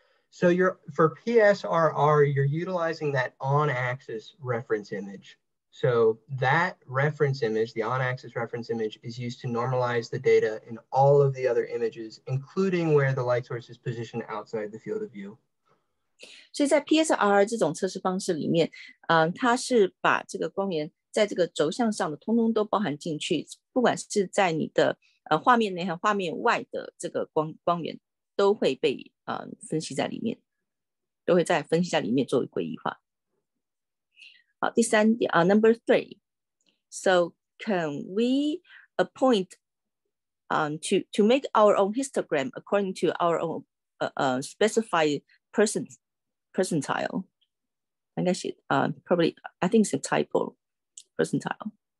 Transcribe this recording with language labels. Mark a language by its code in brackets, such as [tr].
[en] So for PSRR, you're utilizing that on-axis reference image. So that reference image, the on-axis reference image, is used to normalize the data in all of the other images, including where the light source is positioned outside the field of view. [zh] 所以在 PSRR 这种测试方式里面，它是把这个光源在这个轴向上的通通都包含进去，不管是在你的画面内和画面外的这个光源都会被分析在里面，都会在分析在里面作为归一化。好，第三点 [en] number three. So can we appoint to make our own histogram according to our own specified percentile? [zh] 应该是 [en] probably I think it's a typo percentile.